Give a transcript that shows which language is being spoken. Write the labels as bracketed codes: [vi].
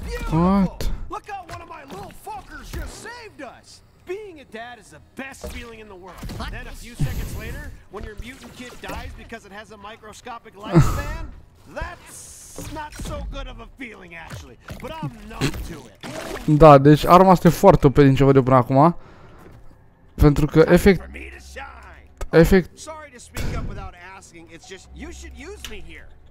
[en] What? Look how one of my little fuckers just saved us. Being a dad is the best feeling in the world. And then a few seconds later, when your mutant kid dies because it has a microscopic lifespan, that's not so good of a feeling, actually. But I'm numb to it. [ro] Da, deci arma asta e foarte OP din ce văd eu până acum. Pentru că efect... Efect... [en] Sorry to speak up without asking, it's just you should use me here.